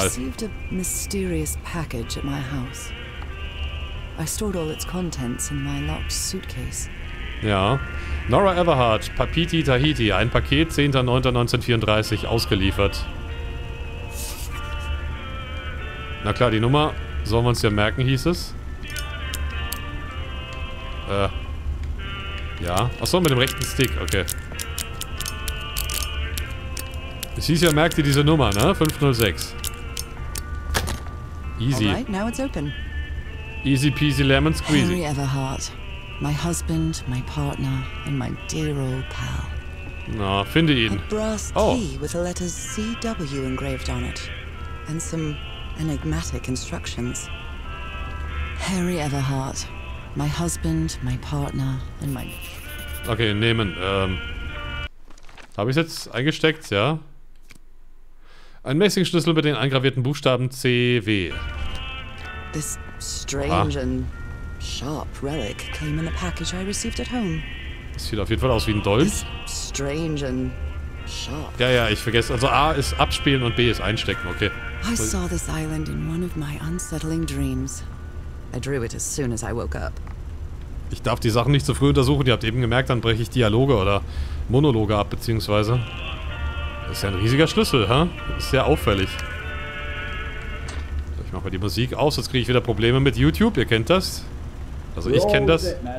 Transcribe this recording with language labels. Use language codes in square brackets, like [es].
[en] I received a mysterious package at my house. I stored all its contents in my locked suitcase. [de] Ja. Nora Everhart, Papiti Tahiti, ein Paket 10.09.1934 ausgeliefert. Na klar, die Nummer sollen wir uns ja merken, hieß es. Ja. Achso, mit dem rechten Stick, okay. Es hieß ja, merkt ihr diese Nummer, ne? 506. [en] Easy. Alright, now it's open. Easy peasy lemon squeezy. Henry Everhart. My husband, my partner, and my dear old pal. [de] Na, finde ihn. [en] A brass key with the letters CW engraved on it. And some enigmatic instructions. Harry Everhart. My husband, my partner, and my... [de] Okay, nehmen. Habe ich es jetzt eingesteckt, ja? Ein Messingschlüssel mit den eingravierten Buchstaben CW. [en] This strange and... sharp relic came in a package I received at home. [de] Das sieht auf jeden Fall aus wie ein Dolch. [en] Strange and sharp. [de] Ja, ja, ich vergesse. Also A ist abspielen und B ist einstecken, okay. [en] I saw this island in one of my unsettling dreams. I drew it as soon as I woke up. [de] Ich darf die Sachen nicht zu früh untersuchen. Ihr habt eben gemerkt, dann breche ich Dialoge oder Monologe ab, beziehungsweise. Das ist ja ein riesiger Schlüssel, hä? Das ist sehr auffällig. Ich mache mal die Musik aus, sonst kriege ich wieder Probleme mit YouTube. Ihr kennt das. Also ich kenne das.